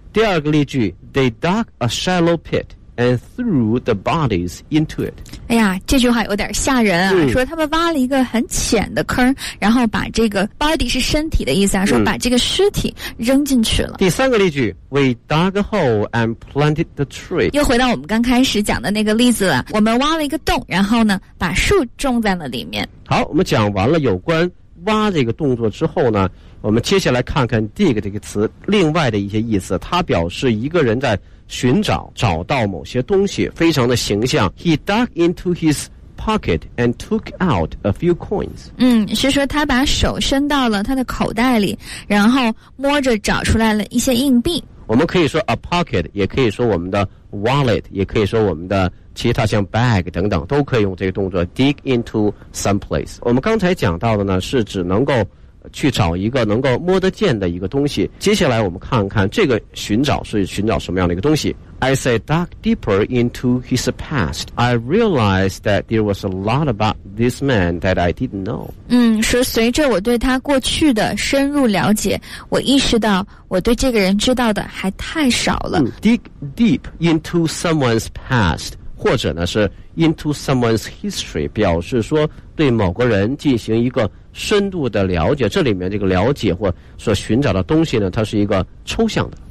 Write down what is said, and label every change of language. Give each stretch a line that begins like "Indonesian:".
Chinese: 第二个例句，
English: they dug a shallow pit and threw the bodies into it。
Chinese: 哎呀，这句话有点吓人啊、嗯、说他们挖了一个很浅的坑，然后把这个 body 是身体的意思啊，说把这个尸体扔进去了、
English: 嗯、
Chinese: 第三个例句，
English: we dug a hole and planted the tree。
Chinese: 又回到我们刚开始讲的那个例子了，我们挖了一个洞，然后呢把树种在了里面。好，我们讲完了有关挖这个动作之后呢，我们接下来看看 dig 这个词另外的一些意思。它表示一个人在寻找，找到某些东西，非常的形象。
English: He dug into his pocket and took out a few coins。
Chinese: 嗯，是说他把手伸到了他的口袋里，然后摸着找出来了一些硬币。我们可以说 a pocket， 也可以说我们的 wallet， 也可以说我们的其他像 bag 等等，都可以用这个动作
English: dig into someplace。
Chinese: 我们刚才讲到的呢是只能够去找一个能够摸得见的一个东西。接下来我们看看这个寻找是寻找什么样的一个东西。
English: As I dug deeper into his past, I realized that there was a lot about this man that I didn't know.
Chinese: 说随着我对他过去的深入了解，我意识到我对这个人知道的还太少了。
English: Dig deep into someone's past,
Chinese: 或者呢是
English: into someone's history,
Chinese: 表示说对某个人进行一个深度的了解，这里面这个了解或所寻找的东西呢，它是一个抽象的。